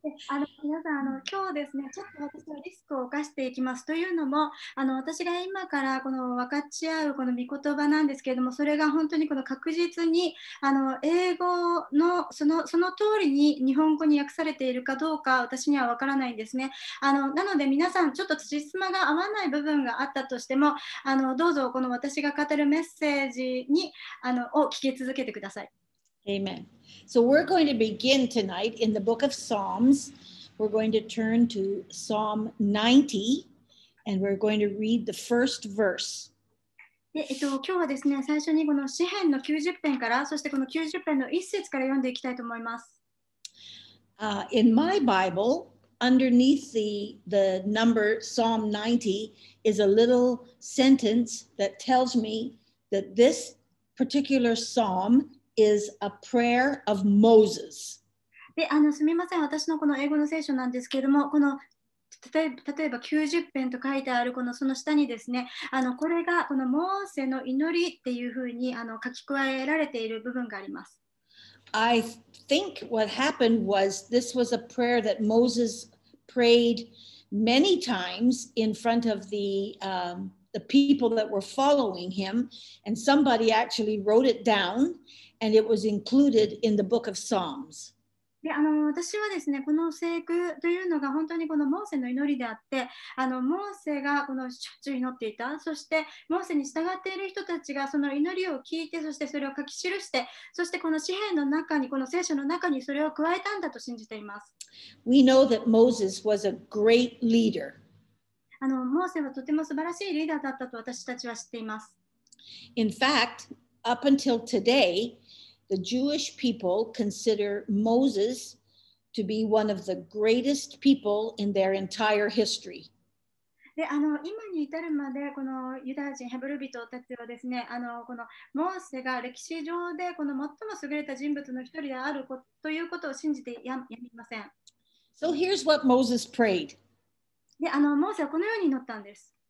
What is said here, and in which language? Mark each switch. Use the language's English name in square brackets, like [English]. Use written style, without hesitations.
[Japanese] あの皆さんあの今日ですねちょっと私はリスクを犯していきますというのもあの私が今からこの分かち合うこの御言葉なんですけれどもそれが本当にこの確実にあの英語のその通りに日本語に訳されているかどうか私には分からないんですねあのなので皆さんちょっと辻褄が合わない部分があったとしてもあのどうぞこの私が語るメッセージにあのを聞き続けてください。 [English] Amen. So we're going to begin tonight in the book of Psalms. We're going to turn to Psalm 90 and we're going to read the first verse. [Japanese] で、今日はですね、最初にこの詩編の90編から、そしてこの90編の1節から読んでいきたいと思います。 [English] In my Bible, underneath the number Psalm 90 is a little sentence that tells me that this particular Psalm is a prayer of Moses. [Japanese] であのすみません、私のこの英語の聖書なんですけれども、この例えば90編と書いてあるこのその下にですね、あのこれがこのモーセの祈りっていうふうにあの書き加えられている部分があります。 [English] I think what happened was this was a prayer that Moses prayed many times in front of the people that were following him, and somebody actually wrote it down. And it was included in the book of Psalms. [Japanese] であの私はですね、この聖句というのが本当にこのモーセの祈りであって、あのモーセがこのしょっちゅう祈っていた、そしてモーセに従っている人たちがその祈りを聞いて、そしてそれを書き記して、そしてこの詩編の中に、この聖書の中にそれを加えたんだと信じています。 [English] We know that Moses was a great leader. [Japanese] あのモーセはとても素晴らしいリーダーだったと私たちは知っています。 [English] In fact,Up until today, the Jewish people consider Moses to be one of the greatest people in their entire history. [Japanese] であの今に至るまでこのユダヤ人ヘブル人たちはですね、あのこのモーセが歴史上でこの最も優れた人物の一人であるということを信じてやみません。 [English] So here's what Moses prayed. [Japanese] であのモーセはこのように祈ったんです。